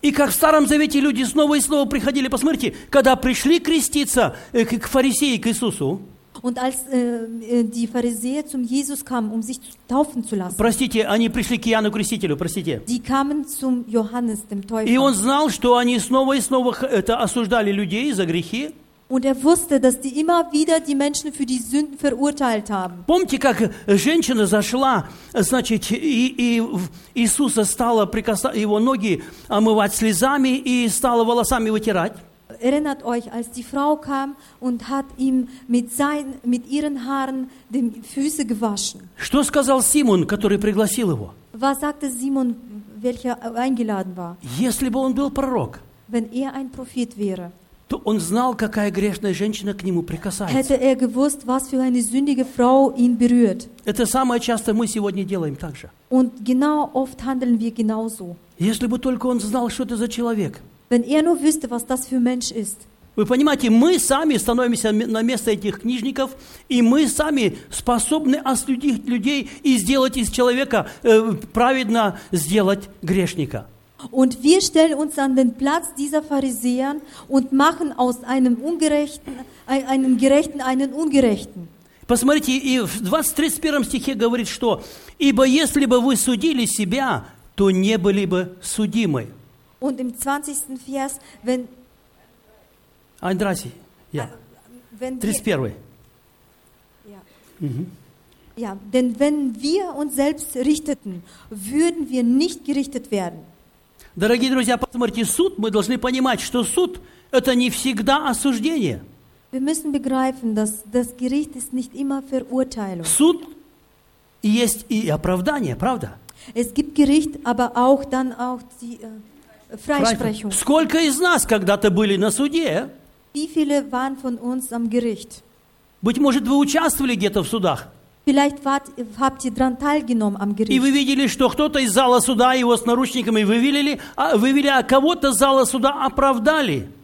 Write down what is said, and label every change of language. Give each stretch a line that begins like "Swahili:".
Russian: И как в Старом Завете люди снова и снова приходили, посмотрите, когда пришли креститься к фарисеи, к Иисусу,
German: und als die Pharisäer zum Jesus kamen, um sich taufen zu lassen.
Russian: Простите, они пришли к Иоанну Крестителю, простите.
German: Die kamen zum Johannes, dem Täufer.
Russian: И он знал, что они снова и снова это осуждали людей за грехи.
German: Und er wusste, dass die immer wieder die Menschen für die Sünden verurteilt haben.
Russian: Помните, как женщина зашла, значит, и Иисуса стала прикасаться, его ноги омывать слезами и стала волосами вытирать?
German: Erinnert euch, als die Frau kam und hat ihm mit ihren Haaren die Füße gewaschen.
Russian: Что сказал Симон, который пригласил его?
German: Was sagte Simon, welcher eingeladen war?
Russian: Если бы он был пророк,
German: wenn er ein Prophet wäre,
Russian: то он знал, какая грешная женщина к нему прикасается.
German: Hätte er gewusst, was für eine sündige Frau ihn berührt.
Russian: Это самое частое мы сегодня делаем так же.
German: Und genau oft handeln wir genauso.
Russian: Если бы только он знал, что это за человек.
German: Wenn er nur wüsste, was das für Mensch ist.
Russian: Вы понимаете, мы сами становимся на место этих книжников, и мы сами способны осудить людей и сделать из человека праведно сделать грешника.
German: Und wir stellen uns an den Platz dieser Pharisäer und machen aus einem Ungerechten einen Gerechten einen Ungerechten.
Russian: Посмотрите, и в 23 стихе говорит, что ибо если бы вы судили себя, то не были бы судимы.
German: Und im 20. Vers, wenn... 31, ja. Wenn 31. Ja. Mhm. Ja, denn wenn wir uns selbst richteten, würden wir nicht gerichtet werden.
Russian: Дорогие друзья, посмотрите, суд, мы должны понимать, что суд – это не всегда осуждение.
German: Wir müssen begreifen, dass das Gericht ist nicht immer Verurteilung.
Russian: Суд есть и оправдание, правда?
German: Es gibt Gericht, aber auch dann auch die... Freisprechung.
Russian: Сколько из нас когда-то были на суде?
German: Wie viele waren von uns am Gericht?
Russian: Быть может, вы участвовали где-то в судах?
German: Vielleicht habt ihr dran teilgenommen am Gericht.
Russian: И вы видели, что кто-то из зала суда его с наручниками вывели, а кого-то из зала суда оправдали?